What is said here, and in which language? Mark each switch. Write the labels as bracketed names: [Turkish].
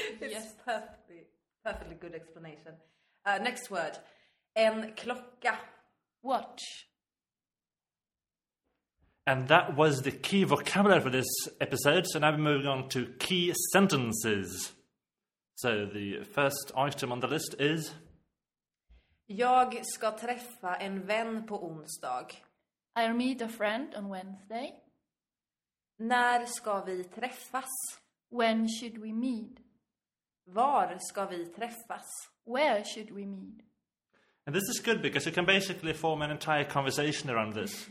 [English] Yes, perfectly good explanation. Next word. [Swedish] En klocka. [English] Watch. And that was the key vocabulary for this episode. So now we're moving on to key sentences. So the first item on the list is... [Swedish] Jag ska träffa en vän på onsdag. [English] I'll meet a friend on Wednesday. [Swedish] När ska vi träffas? [English] When should we meet? [Swedish] Var ska vi träffas? [English] Where should we meet? And this is good because you can basically form an entire conversation around this.